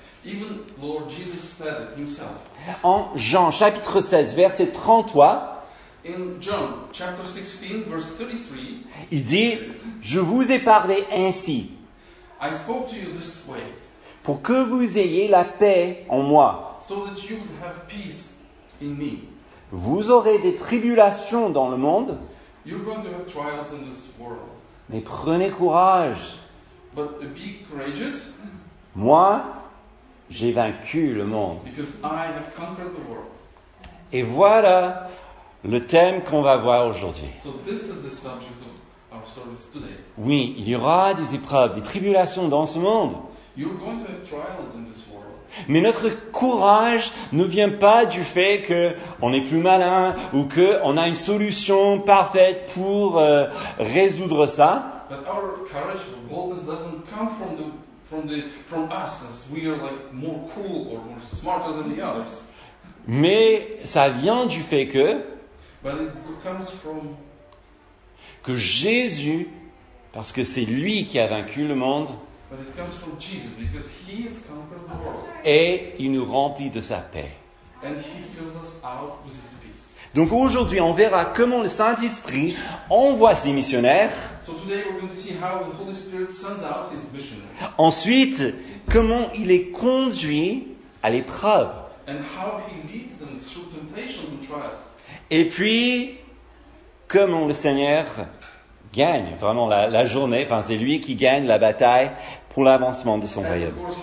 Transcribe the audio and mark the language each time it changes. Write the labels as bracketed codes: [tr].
[en] Even Lord Jesus said it himself. [fr] En Jean chapitre 16, verset 33, [en] in John, chapter 16, verse 33, [fr] il dit, « Je vous ai parlé ainsi [en] I spoke to you this way, [fr] pour que vous ayez la paix en moi. [en] So that you would have peace in me. [fr] Vous aurez des tribulations dans le monde. [en] You're going to have trials in this world. [fr] Mais prenez courage. [en] But be courageous. [fr] Moi, j'ai vaincu le monde. [en] Because I have conquered the world. [fr] Et voilà le thème qu'on va voir aujourd'hui. [en] So this is the subject of our service today. [fr] Oui, il y aura des épreuves, des tribulations dans ce monde. [en] You're going to have trials in this world. [fr] Mais notre courage ne vient pas du fait qu'on est plus malin ou qu'on a une solution parfaite pour résoudre ça. [en] But our courage, our boldness doesn't come from us as we are like more cool or more smarter than the others. [fr] Mais ça vient du fait que [en] but it comes from [fr] que Jésus, parce que c'est lui qui a vaincu le monde, [en] but it comes from Jesus because he has conquered the world. [fr] Et il nous remplit de sa paix. [en] And he fills us out with his peace. [fr] Donc aujourd'hui, on verra comment le Saint-Esprit envoie ses missionnaires. [en] So today we're going to see how the Holy Spirit sends out his missionaries. [fr] Ensuite, comment il est conduit à l'épreuve. [en] And how he leads them through temptations and trials. [fr] Et puis, comment le Seigneur gagne vraiment la journée. Enfin, c'est lui qui gagne la bataille pour l'avancement de son royaume.